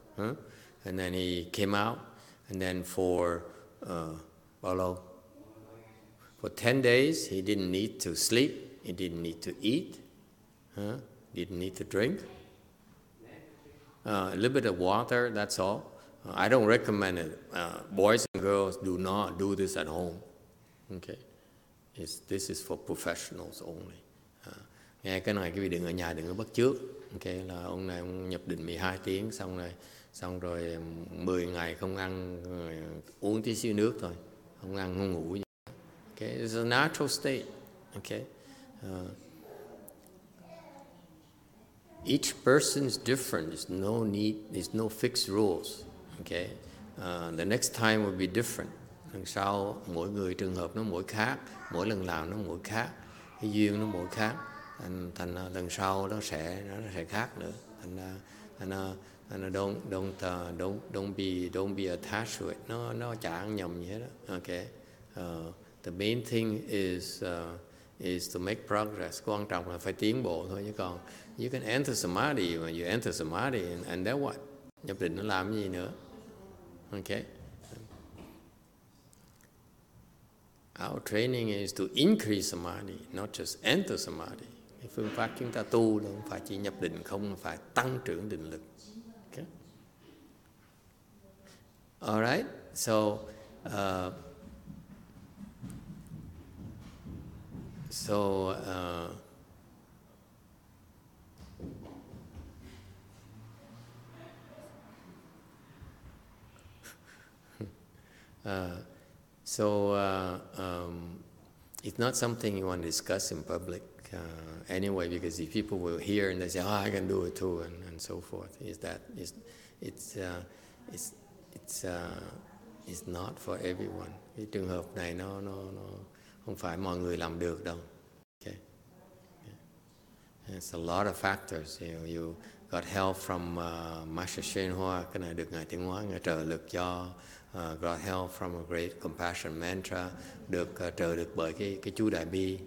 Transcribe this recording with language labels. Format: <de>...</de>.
<en>And then he came out, and then for 10 days he didn't need to sleep, he didn't need to eat, didn't need to drink. A little bit of water, that's all. I don't recommend it. Boys and girls, do not do this at home. Okay, this is for professionals only.</en> <vi>Nghe cái này quý vị đừng ở nhà, đừng có bắt chước.</vi> <en>Okay,</en> <vi>là ông này ông nhập định 12 tiếng xong rồi. Xong rồi 10 ngày không ăn, uống tí xíu nước thôi, không ăn, không ngủ gì.</vi> <en>Okay, it's a natural state. Okay. Each person is different. There's no fixed rules. Okay. The next time will be different.</en> <vi>Lần sau mỗi người trường hợp nó mỗi khác, mỗi lần làm nó mỗi khác, cái duyên nó mỗi khác. Thành lần sau nó sẽ khác nữa.</vi> <en>Don't be attached to it.</en> <vi>No, chẳng nhầm gì hết.</vi> <en>Okay. The main thing is to make progress.</en> <vi>Quan trọng là phải tiến bộ thôi chứ còn.</vi> <en>You can enter samadhi, when you enter samadhi, and then what?</en> <vi>Nhập định nó làm gì nữa?</vi> <en>Okay. Our training is to increase samadhi, not just enter samadhi.</en> <vi>Phương pháp chúng ta tu là không phải chỉ nhập định không, phải tăng trưởng định lực.</vi> <en>All right, it's not something you want to discuss in public anyway, because if people will hear and they say, "Oh, I can do it too," and so forth, it's not for everyone.</en> <vi>Cái trường hợp này nó không phải mọi người làm được đâu. Okay.</vi> <en>It's a lot of factors. You got help from Master Shenhua,</en> <vi>cái này được ngài Tiếng Hóa ngài trợ lực cho.</vi> <en>Got help from a great compassion mantra,</en> <vi>được trợ lực bởi cái chú Đại Bi.</vi>